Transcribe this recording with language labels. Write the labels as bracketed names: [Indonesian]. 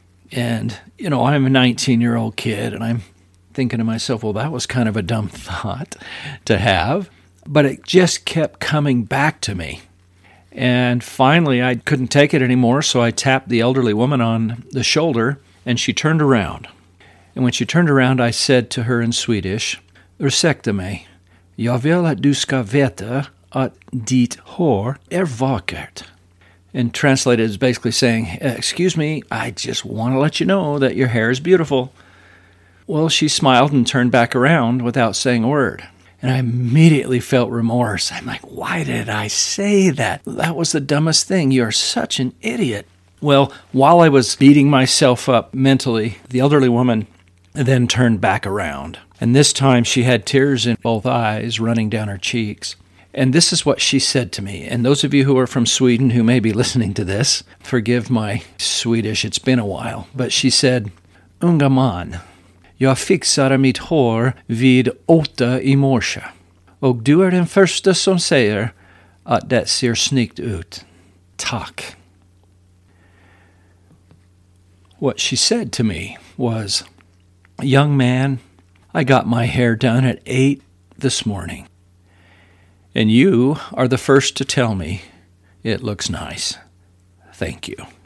[English] And, you know, I'm a 19-year-old kid, and I'm thinking to myself, well, that was kind of a dumb thought to have. But it just kept coming back to me. And finally, I couldn't take it anymore, so I tapped the elderly woman on the shoulder, and she turned around. And when she turned around, I said to her in Swedish, [Swedish] "Ursäkta mig, jag vill att du ska veta att ditt hår är vackert." [English] And translated as basically saying, "Excuse me, I just want to let you know that your hair is beautiful." Well, she smiled and turned back around without saying a word. And I immediately felt remorse. I'm like, why did I say that? That was the dumbest thing. You're such an idiot. Well, while I was beating myself up mentally, the elderly woman then turned back around. And this time she had tears in both eyes running down her cheeks. And this is what she said to me. And those of you who are from Sweden who may be listening to this, forgive my Swedish. It's been a while. But she said, [Swedish] "Unga man. Jag fixar mitt hår vid 8 i morse. Och du är den första som säger att det ser snyggt ut. Tack." [English] What she said to me was, "Young man, I got my hair done at 8 this morning. And you are the first to tell me it looks nice. Thank you."